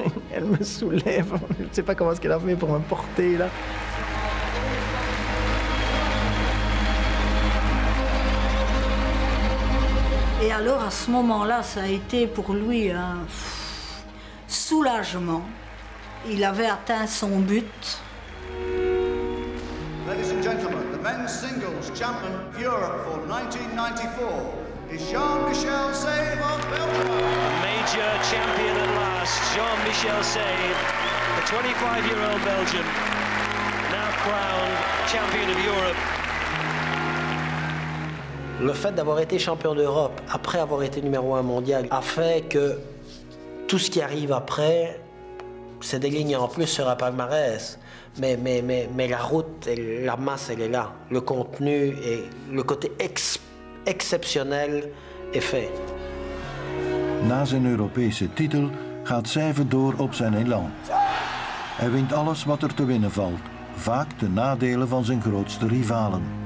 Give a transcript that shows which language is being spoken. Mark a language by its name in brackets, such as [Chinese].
[French] Elle me soulève. Je ne sais pas comment est-ce qu'elle a fait pour me porter, là. Et alors, à ce moment-là, ça a été pour lui un soulagement. Il avait atteint son but. [English] Ladies and gentlemen, the men's singles champion of Europe for 1994 is Jean-Michel Save of Belgium. Major champion at last, Jean-Michel Save, the 25-year-old Belgian, now crowned champion of Europe. [French] Le fait d'avoir été champion d'Europe après avoir été numéro un mondial a fait que tout ce qui arrive après, c'est des lignes en plus sur un palmarès. Mais la route, elle, la masse, elle est là. Le contenu et le côté exceptionnel est fait. [Dutch] Na zijn Europese titel gaat Zijven door op zijn élan. Hij wint alles wat er te winnen valt, vaak ten nadele van zijn grootste rivalen.